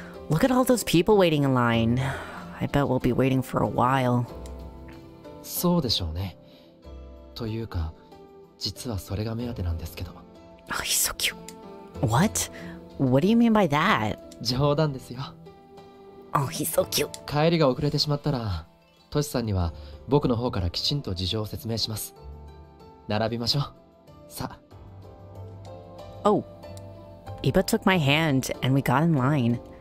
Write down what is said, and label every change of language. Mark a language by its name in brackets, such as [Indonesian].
[English] Look at all those people waiting in line. I bet we'll be waiting for a while. [Japanese] そうでしょうね。というか、実はそれが目当てなんですけど。 [English] Oh, he's so cute. What? What do you mean by that? [Japanese] 冗談ですよ。 [English] Oh, he's so cute. [Japanese] 帰りが遅れてしまったら、トシさんには僕の方からきちんと事情を説明します。並びましょう。さあ。 [English] Oh. Iba took my hand, and we got in line.